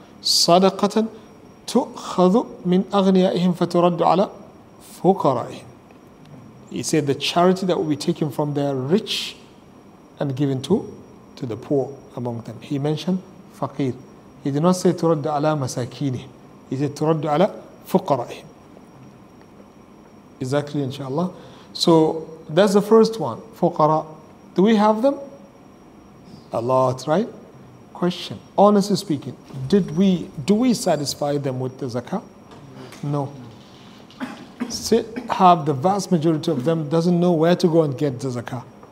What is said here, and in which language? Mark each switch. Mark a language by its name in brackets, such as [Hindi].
[Arabic] صَدَقَةً تُؤْخَذُ مِنْ أَغْنِيَائِهِمْ فَتُرَدُّ عَلَى فُقَرَائِهِمْ. [English] He said the charity that will be taken from their rich and given to the poor among them. He mentioned faqir. He did not say [Arabic] تُرَدُّ عَلَى مَسَاكِينِهِمْ. [English] He said [Arabic] تُرَدُّ عَلَى فُقَرَائِهِمْ. [English] Exactly, inshallah. So that's the first one, فُقَرَاء. Do we have them? A lot, right? Question. Honestly speaking, do we satisfy them with the zakah? No. Have the vast majority of them doesn't know where to go and get the zakah.